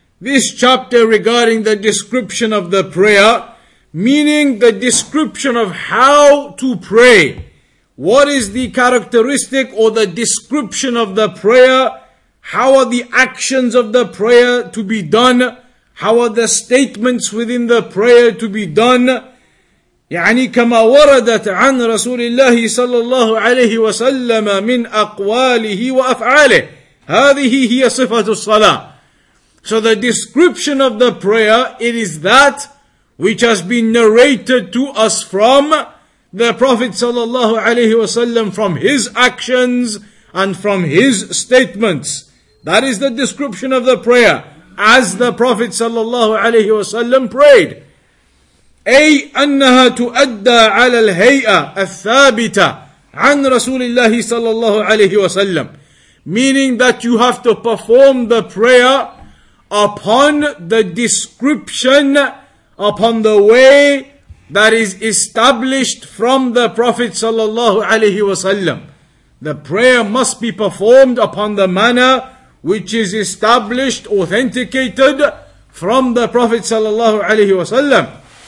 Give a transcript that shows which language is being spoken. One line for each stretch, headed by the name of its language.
English: This chapter regarding the description of the prayer, meaning the description of how to pray. What is the characteristic or the description of the prayer? How are the actions of the prayer to be done? How are the statements within the prayer to be done?
Arabic: يعني كما وردت عن رسول الله صلى الله عليه وسلم من أقواله وأفعاله. هذه هي صفة الصلاة.
English: So the description of the prayer, it is that which has been narrated to us from the Prophet sallallahu alayhi wa sallam, from his actions and from his statements. That is the description of the prayer, as the Prophet sallallahu alayhi wa sallam prayed.
Arabic: أي أنها تؤدى على الهيئة الثابتة عن رسول الله صلى الله عليه وسلم.
English: Meaning that you have to perform the prayer upon the description, upon the way that is established from the Prophet sallallahu alaihi wasallam. The prayer must be performed upon the manner which is established, authenticated from the Prophet sallallahu alaihi wasallam.